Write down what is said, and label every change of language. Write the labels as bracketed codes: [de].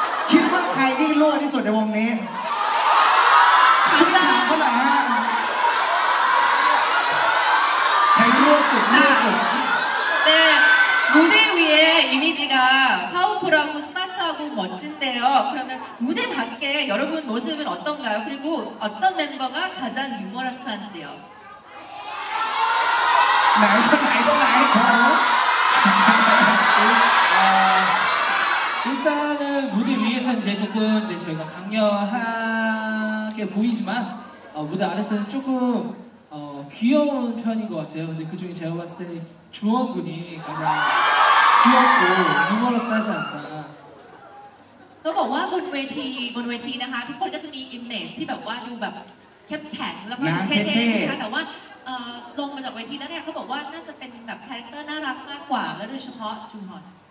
[th] คิดว่าใครที่รั่วที่สุดในวงนี้ช่วยถามเขาหน่อยฮะใครรั่วสุดรั่วสุ ดเนี่ย [ko] 무대 위에 이미지가 파워풀하고 스마트하고 멋진데요 그러면 무대 밖에 여러분 모습은 어떤가요? 그리고 어떤 멤버가 가장 유머러스한지요? 나이거 나이거 나이거 일단은 무대 위에서 이제 조금 이제 저희가 강렬하게 보이지만 무대 아래서는 조금 귀여운 편인 것 같아요. 근데 그 중에 제가 봤을 때는주원군이가장귀엽고유머러스하지않나 [th] เขาบอกว่าบนเวทีบนเวทีนะคะทุกคนก็จะมีอิมเมจที่แบบว่าดูแบบเข้มแข็งแล้วก็เท่ๆใช่ไหมคะแต่ว่าลงมาจากเวทีแล้วเนี่ยเขาบอกว่าน่าจะเป็นแบบคาแรคเตอร์น่ารักมากกว่าและโดยเฉพาะชุมพร